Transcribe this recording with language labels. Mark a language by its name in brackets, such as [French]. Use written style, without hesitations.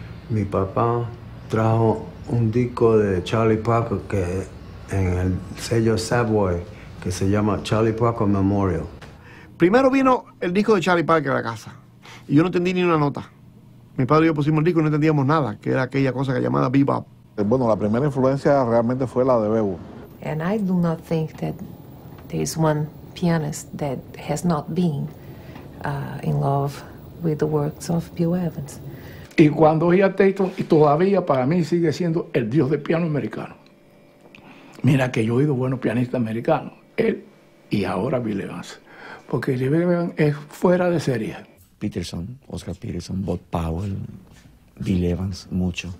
[Spanish] Mi papá trajo un disco de Charlie Parker que en el sello Savoy, que se llama Charlie Parker Memorial. Primero vino el disco de Charlie Parker a la casa y yo no entendí ni una nota. Mi padre y yo pusimos el disco y no entendíamos nada, que era aquella cosa que llamaba bebop. Bueno, la primera influencia realmente fue la de Bebo. [English] And I do not think that there is one pianist that has not been in love with the works of Bill Evans. [Spanish] Y cuando oía Tayton, y todavía para mí sigue siendo el dios del piano americano. Mira que yo he oído buenos pianistas americanos, él y ahora Bill Evans, porque Bill Evans es fuera de serie. Peterson, Oscar Peterson, Bob Powell, Bill Evans, mucho.